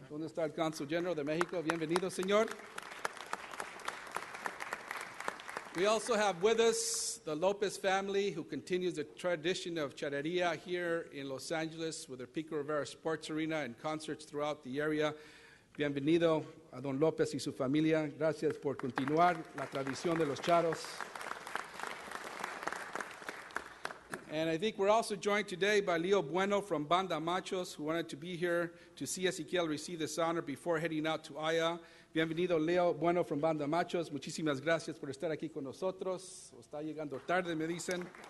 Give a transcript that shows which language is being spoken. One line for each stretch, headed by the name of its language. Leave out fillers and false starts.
Spanish: ¿Dónde está el Consul General de México? Bienvenido, señor.
English: We also have with us the Lopez family, who continues the tradition of charrería here in Los Angeles with the Pico Rivera Sports Arena and concerts throughout the area.
Spanish: Bienvenido a Don Lopez y su familia. Gracias por continuar la tradición de los charros.
English: And I think we're also joined today by Leo Bueno from Banda Machos, who wanted to be here to see Ezequiel receive this honor before heading out to Aya.
Spanish: Bienvenido, Leo Bueno from Banda Machos. Muchísimas gracias por estar aquí con nosotros. O está llegando tarde, me dicen.